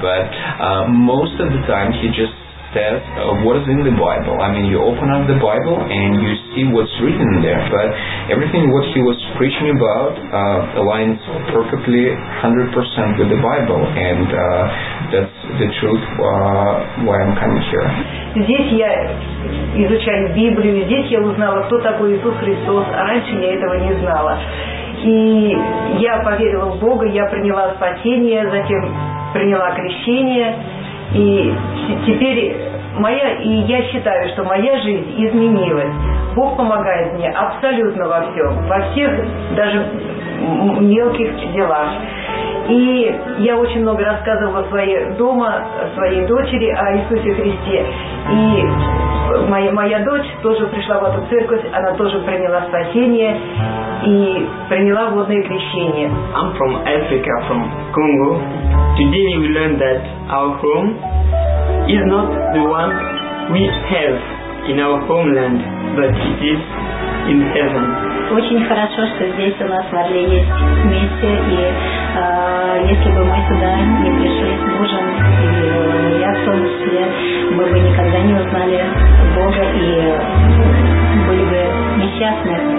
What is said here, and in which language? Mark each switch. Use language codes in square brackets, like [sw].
[en] But most of the time, he just says what is in the Bible. I mean, you open up the Bible and you see what's written there, but everything what he was preaching about aligns perfectly 100% with the Bible, and that's the truth why I'm coming here. [ru] Здесь я изучаю Библию, здесь я узнала, кто такой Иисус Христос, а раньше я этого не знала. И я поверила в Бога, я приняла спасение, затем приняла крещение. И теперь моя, и я считаю, что моя жизнь изменилась. Бог помогает мне абсолютно во всем, во всех даже мелких делах. И я очень много рассказывала своей дочери о Иисусе Христе. И моя дочь тоже пришла в эту церковь, она тоже приняла спасение и приняла водное крещение. [en] I'm from Africa, from Congo. Today we learned that our home is not the one we have in our homeland, but it is in heaven. [ru] Очень хорошо, что здесь у нас в Орле есть миссия, и если бы мы сюда не пришли с мужем, и я в том числе, мы бы никогда не узнали Бога и были бы несчастны.